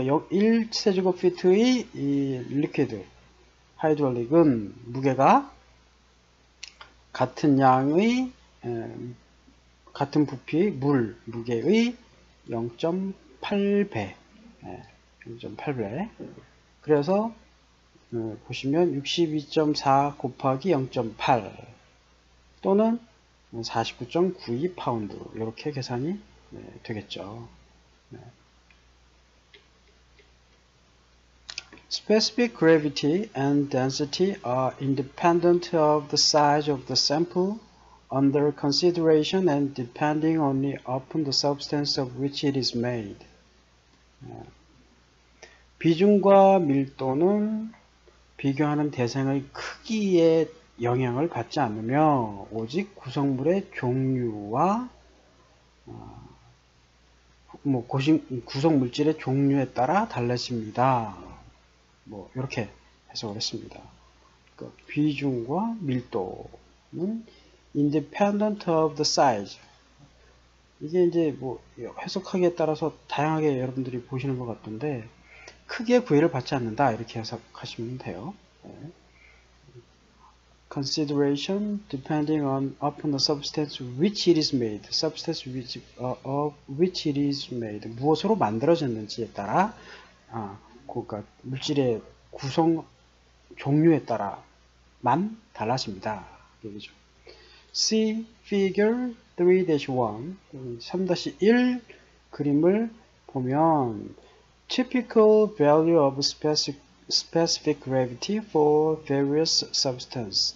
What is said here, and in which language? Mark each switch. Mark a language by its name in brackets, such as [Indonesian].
[Korean] 1세제곱푸트의 이 리퀴드 하이드롤릭은 무게가 같은 양의 같은 부피의 물 무게의 0.8배, 0.8배. 그래서 보시면 62.4 곱하기 0.8 또는 49.92 파운드 이렇게 계산이 되겠죠. [English] Specific gravity and density are independent of the size of the sample under consideration and depending only upon the substance of which it is made. [Korean] 비중과 밀도는 비교하는 대상의 크기에 영향을 받지 않으며 오직 구성물의 종류와 구성물질의 종류에 따라 달라집니다. 뭐 이렇게 해석을 했습니다. 그 비중과 밀도는 [English] independent of the size. [Korean] 이게 이제 뭐 해석하기에 따라서 다양하게 여러분들이 보시는 것 같던데 크게 구애를 받지 않는다 이렇게 해석하시면 돼요. 네. [English] consideration depending on upon the substance which it is made. substance which of which it is made. [Korean] 무엇으로 만들어졌는지에 따라 그니까 물질의 구성 종류에 따라만 달라집니다. 얘기죠. [English] See figure 3-1. [Korean] 3-1 그림을 보면 [English] typical value of specific gravity for various substance.